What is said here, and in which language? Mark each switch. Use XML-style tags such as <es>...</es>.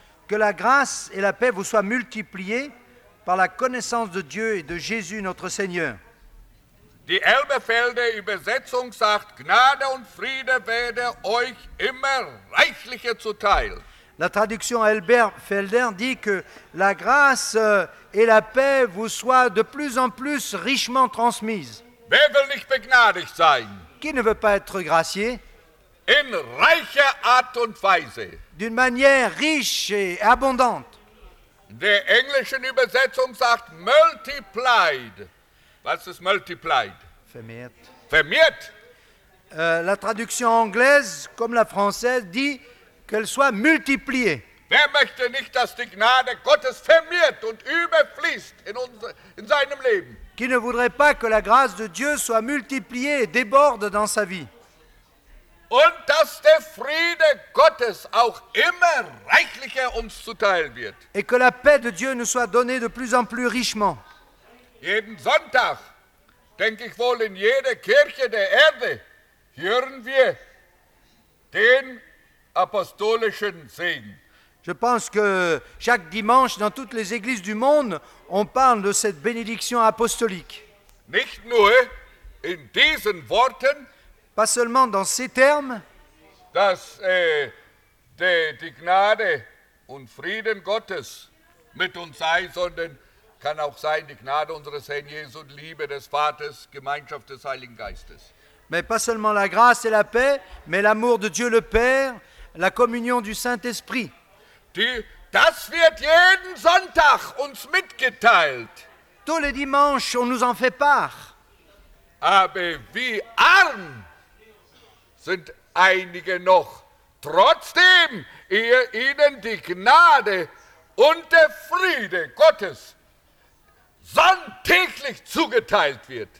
<fr>Que la grâce et la paix vous soient multipliées par la connaissance de Dieu et de Jésus notre Seigneur.</fr> <de>Die Elberfelder Übersetzung sagt: Gnade und Friede werde euch immer reichlicher zuteil.</de> <fr>La traduction Elberfelder dit que la grâce et la paix vous soient de plus en plus richement transmises.</fr> <de>Wer will nicht begnadigt sein?</de> <fr>Qui ne veut pas être gracié?</fr> <de>In reicher Art und Weise.</de> <fr>D'une manière riche et abondante.</fr> <de>Der englischen Übersetzung sagt multiplied. Was ist multiplied? Vermehrt. Vermehrt.</de> <fr>La traduction anglaise, comme la française, dit qu'elle soit multipliée.</fr> <de>Wer möchte nicht, dass die Gnade Gottes vermehrt und überfließt in seinem Leben?</de> <fr>Qui ne voudrait pas que la grâce de Dieu soit multipliée et déborde dans sa vie?</fr> <de>Und dass der Friede Gottes auch immer reichlicher uns zuteil wird.</de> <fr>Et que la paix de Dieu nous soit donnée de plus en plus richement.</fr> <de>Jeden Sonntag, denke ich wohl in jeder Kirche der Erde, hören wir den apostolischen Segen.</de> <fr>Je pense que chaque dimanche dans toutes les églises du monde, on parle de cette bénédiction apostolique.</fr> <de>Nicht nur in diesen Worten,</de> <fr>pas seulement dans ces termes,</fr> <de>dass die Gnade und Frieden Gottes mit uns sei, sondern kann auch sein die Gnade unseres Herrn Jesus und Liebe des Vaters, Gemeinschaft des Heiligen Geistes.</de> <fr>Mais pas seulement la grâce et la paix, mais l'amour de Dieu le Père, la communion du Saint-Esprit.</fr> <de>Das wird jeden Sonntag uns mitgeteilt.</de> <fr>Tous les dimanches, on nous en fait part.</fr> <de>Aber wie arm sind einige noch, trotzdem ihnen die Gnade und der Friede Gottes sonntäglich zugeteilt wird.</de>